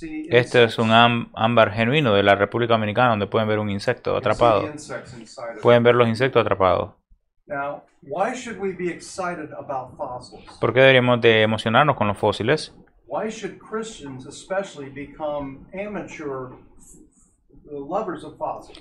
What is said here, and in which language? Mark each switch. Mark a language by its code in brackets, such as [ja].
[es] Esto es un ámbar genuino de la República Dominicana donde pueden ver un insecto atrapado. Pueden ver los insectos atrapados. [en] Now, why should we be excited about fossils? [es] ¿Por qué deberíamos de emocionarnos con los fósiles? [en] Why should Christians especially become amateur lovers of fossils?